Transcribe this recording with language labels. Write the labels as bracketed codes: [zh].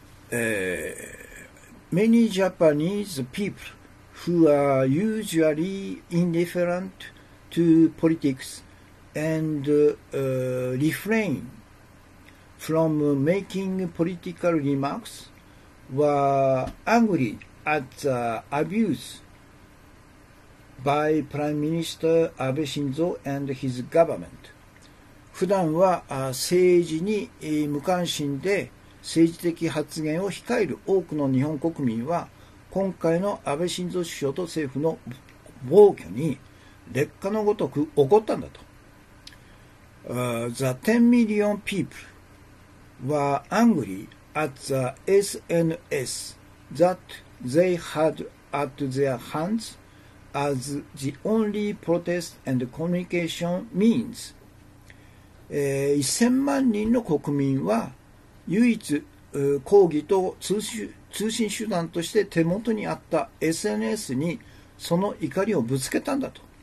[en] Many Japanese people who are usually indifferent to politics and refrain from making political remarks were angry at the abuse by Prime Minister Abe Shinzo and his government。 [ja] 普段は政治に無関心で政治的発言を控える多くの日本国民は今回の安倍晋三首相と政府の暴挙に烈火のごとく怒ったんだと。 [en] The 10 million people were angry at the SNS that they had at their hands as the only protest and communication means。 [ja] 1000万人の国民は唯一抗議と通信手段として手元にあった SNS にその怒りをぶつけたんだと。